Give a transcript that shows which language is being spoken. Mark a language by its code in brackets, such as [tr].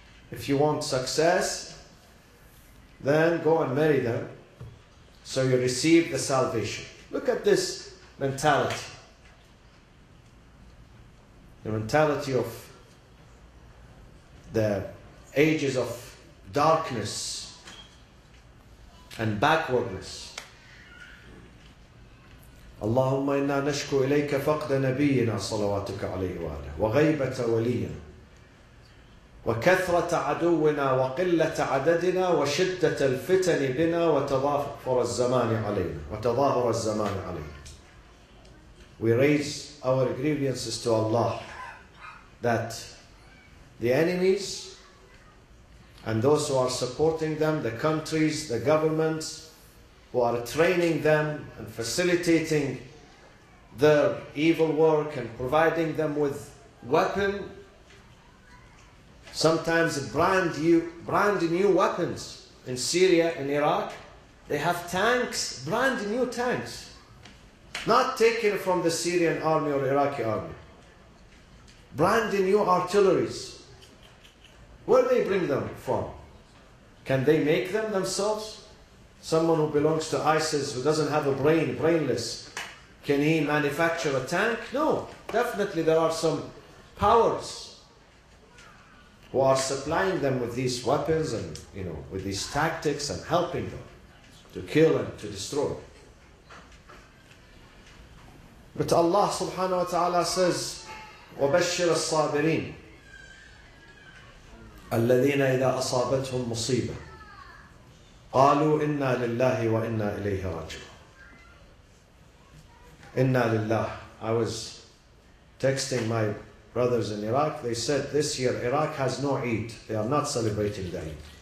[en] If you want success, then go and marry them so you receive the salvation. Look at this mentality. The mentality of the ages of darkness and backwardness. [ar] اللهم إنا نشكو إليك فقد نبينا صلواتك عليه وآله وغيبة ولينا وكثرة عدونا وقلة عددنا وشدة الفتن بنا وتظاهر الزمان علينا وتظاهر الزمان علينا. [en] We raise our grievances to Allah that the enemies and those who are supporting them, the countries, the governments who are training them and facilitating their evil work and providing them with weapon, sometimes brand new weapons in Syria and Iraq. They have tanks, brand new tanks, not taken from the Syrian army or Iraqi army. Brand new artilleries. Where do they bring them from? Can they make them themselves? Someone who belongs to ISIS, who doesn't have a brain, brainless, can he manufacture a tank? No, definitely there are some powers who are supplying them with these weapons and, you know, with these tactics and helping them to kill and to destroy. But Allah subhanahu wa ta'ala says, [ar] وَبَشِّرَ الصَّابِرِينَ الَّذِينَ إِذَا أَصَابَتْهُمْ مُصِيبَةً قالوا إنا لله وإنا إليه راجعون. إنا لله. [en] I was texting my brothers in Iraq. They said this year Iraq has no Eid. They are not celebrating the Eid.